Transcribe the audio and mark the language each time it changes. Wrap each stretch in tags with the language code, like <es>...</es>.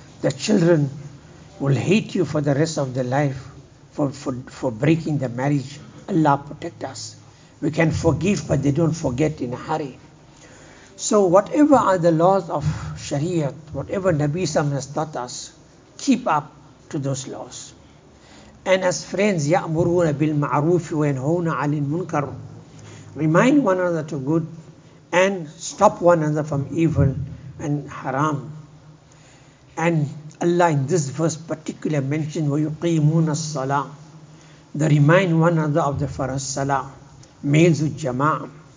<en>The children will hate you for the rest of their life for breaking the marriage. Allah protect us. We can forgive, but they don't forget in a hurry. So whatever are the laws of Sharia, whatever Nabi Sam has taught us, keep up to those laws. And as friends,</en> <ar>يَأْمُرُونَ بِالْمَعْرُوفِ وَيَنْهَوْنَ عَلِي الْمُنْكَرُ.</ar> <en>Remind one another to good and stop one another from evil and haram. And Allah in this verse particularly mentioned</en> <ar>وَيُقِيمُونَ الصَّلَاةِ.</ar> <en>They remind one another of the faraz salah, males with jama'ah.</en>